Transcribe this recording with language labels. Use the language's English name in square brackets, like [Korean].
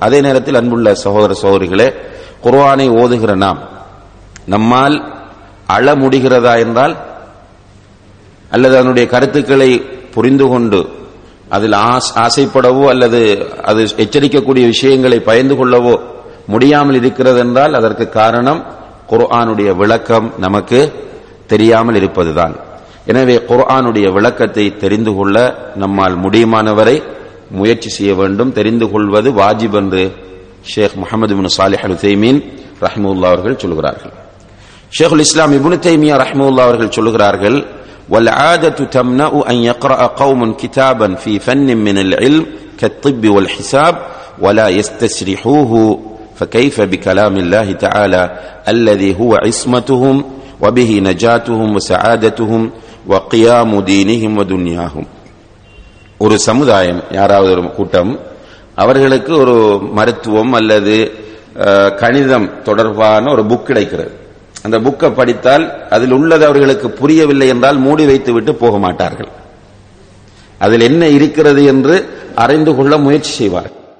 [Tamil] அதே நேரத்தில் அன்புள்ள சகோதர சகோதரிகளே, குர்ஆனை ஓதுகிற நாம் நம்மால் அழ முடிகிறதா என்றால், அல்லது அதனுடைய கருத்துக்களை புரிந்து கொண்டு அதில் ஆசைப்படவோ அல்லது அது எச்சரிக்கக்கூடிய விஷயங்களை பயந்து கொள்ளவோ முடியாமல் இருக்கிறது என்றால், அதற்கு காரணம் குர்ஆனுடைய விளக்கம் நமக்கு தெரியாமல் இருப்பதுதான். எனவே குர்ஆனுடைய விளக்கத்தை தெரிந்து கொள்ள நம்மால் முடியுமானவரை முயற்சி செய்ய வேண்டும். தெரிந்து கொள்வது வாஜிப் என்று ஷேக் முஹம்மது இப்னு சாலிஹ் அல் உதைமீன் ரஹ்மஹுல்லாஹ் அவர்கள் சொல்கிறார்கள். [Arabic] ஷேக் அல் இஸ்லாம் இப்னு தைமியா ரஹ்மஹுல்லாஹ் [Tamil] அவர்கள் சொல்கிறார்கள், [Arabic] والعادة تمنع أن يقرأ قوم كتابا في فن من العلم كالطب والحساب ولا يستشرحوه فكيف بكلام الله تعالى الذي هو عصمتهم وبه نجاتهم وسعادتهم وقيام دينهم ودنياهم. [Tamil] ஒரு சமுதாயம் யாராவது ஒரு கூட்டம் அவர்களுக்கு ஒரு மருத்துவம் அல்லது கணிதம் தொடர்பான ஒரு புக் கிடைக்கிறது. அந்த புக்கை படித்தால் அதில் உள்ளது அவர்களுக்கு புரியவில்லை என்றால் மூடி வைத்து விட்டு போக மாட்டார்கள். அதில் என்ன இருக்கிறது என்று அறிந்து கொள்ள முயற்சி செய்வார்கள்.